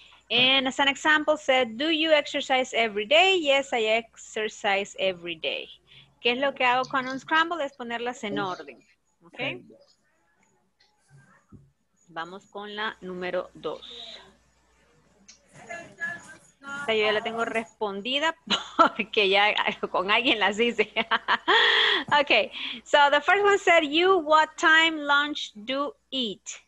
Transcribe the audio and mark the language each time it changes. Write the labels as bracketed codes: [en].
[en] And as an example said, do you exercise every day? Yes, I exercise every day. [es] ¿Qué es lo que hago con un scramble? Es ponerlas en orden. ¿Ok? Vamos con la número dos. Esta yo ya la tengo respondida porque ya con alguien las hice. [en] Ok. So the first one said, you what time lunch do eat?